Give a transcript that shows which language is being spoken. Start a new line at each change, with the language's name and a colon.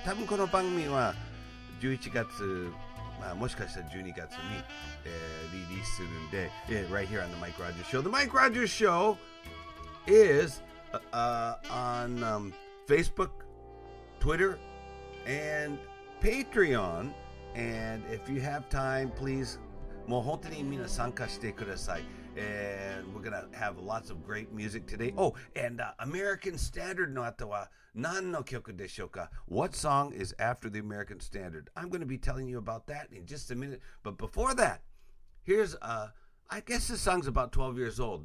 Japanese: 多分この番組は 11月、もしかしたら 12月に、リリースするんで、
English: Right here on the Mike Rogers Show. The Mike Rogers Show is on Facebook, Twitter, and Patreon. And if you have time, please
Japanese: もう本当にみんな参加してください。
English: And we're going to have lots of great music today. Oh, and American Standard
Japanese: の後は何の曲でしょうか?
English: What song is after the American Standard? I'm going to be telling you about that in just a minute. But before that, here's, I guess this song's about 12 years old.